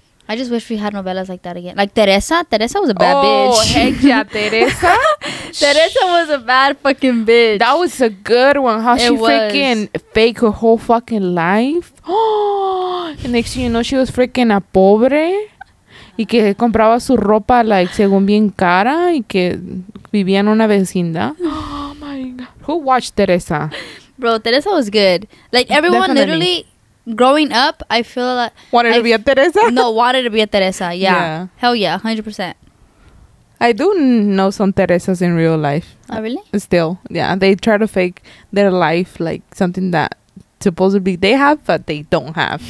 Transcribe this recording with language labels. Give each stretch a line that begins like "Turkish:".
English: I just wish we had novelas like that again. Like, Teresa? Teresa was a bad bitch. Oh, hex, yeah, Teresa? Teresa was a bad fucking bitch. That was a good one. How she freaking faked her whole fucking life. And next thing you know, she was freaking a pobre.
Spanish: Y que compraba su ropa,
English: like,
Spanish: según bien cara. Y que vivía en una vecindad.
English: Oh, my God. Who watched Teresa? Bro, Teresa was good. Like, everyone Definitely. Literally, growing up, I feel like... Wanted to be a Teresa? No, wanted to be a Teresa. Yeah. Hell yeah, 100%. I do know some Teresas in real life. Oh, really? Still, yeah. They try to fake their life, like, something that supposedly they have, but they don't have.